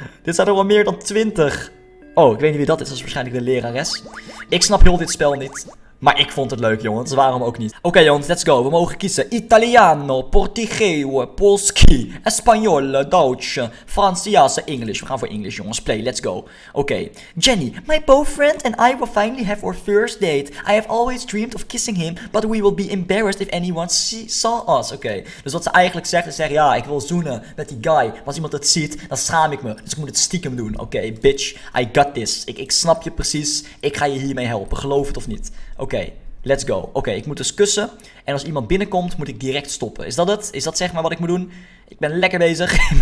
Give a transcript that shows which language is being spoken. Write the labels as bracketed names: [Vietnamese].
[Dutch] Dit zijn er wel meer dan 20. Oh, ik weet niet wie dat is. Dat is waarschijnlijk de lerares. Ik snap heel dit spel niet. Maar ik vond het leuk, jongens. Waarom ook niet? Oké, jongens, [English] let's go. [Dutch] We mogen kiezen. Italiano, Portugese, Polski, Spanjole, Duitse, Franciaanse, English. We gaan voor English, jongens. [English] Play, let's go. Oké. Jenny, my boyfriend and I will finally have our first date. I have always dreamed of kissing him, but we will be embarrassed if anyone saw us. [Dutch] Oké. Dus wat ze eigenlijk zegt, is zeggen, ja, ik wil zoenen met die guy. Maar als iemand het ziet, dan schaam ik me. Dus ik moet het stiekem doen. Oké, [English] bitch, I got this. [Dutch] Ik snap je precies. Ik ga je hiermee helpen. Geloof het of niet? Oké, [English] let's go. [Dutch] Oké, ik moet dus kussen. En als iemand binnenkomt, moet ik direct stoppen. Is dat het? Is dat zeg maar wat ik moet doen? Ik ben lekker bezig.